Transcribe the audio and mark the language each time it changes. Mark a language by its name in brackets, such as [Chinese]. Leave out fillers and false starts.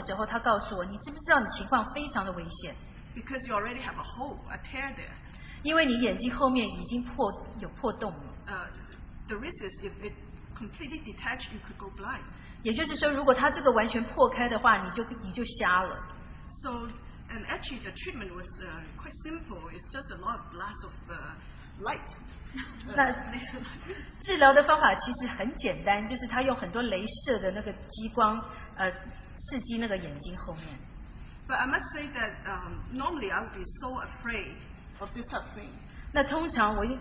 [Chinese] 让我很感谢主，因为当医生见到我的时候，他告诉我，你知不知道你情况非常的危险。 [English] Because you already have a hole, a tear there. [Chinese] 因为你眼睛后面已经有破洞了。 [English] The risk is if it completely detached, you could go blind. [Chinese] 也就是说，如果它这个完全破开的话，你就瞎了。 [English] So, and actually, the treatment was quite simple. It's just a lot of blasts of light. [Chinese] 那治疗的方法其实很简单，就是他用很多镭射的那个激光，刺激那个眼睛后面。 [English] But I must say that normally I would be so afraid of this type of thing.